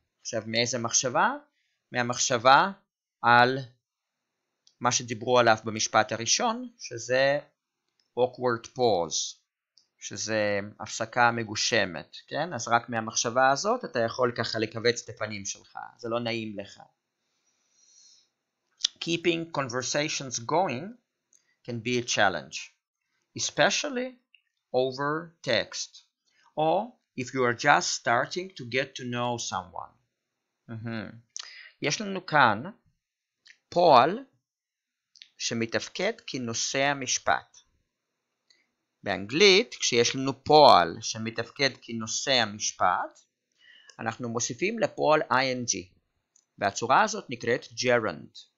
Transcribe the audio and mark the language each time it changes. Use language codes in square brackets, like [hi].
[he] עכשיו, מאיזה מחשבה? מהמחשבה על מה שדיברו עליו במשפט הראשון, שזה [en] awkward pause, [he] שזה הפסקה מגושמת, כן? אז רק מהמחשבה הזאת אתה יכול ככה לקווץ את הפנים שלך. זה לא נעים לך. [en] Keeping conversations going can be a challenge, especially over text, or if you are just starting to get to know someone. [he] יש לנו כאן פועל שמתפקד כנושא המשפט. באנגלית, כשיש לנו פועל שמתפקד כנושא המשפט, אנחנו מוסיפים לפועל ing, והצורה הזאת נקראת gerund.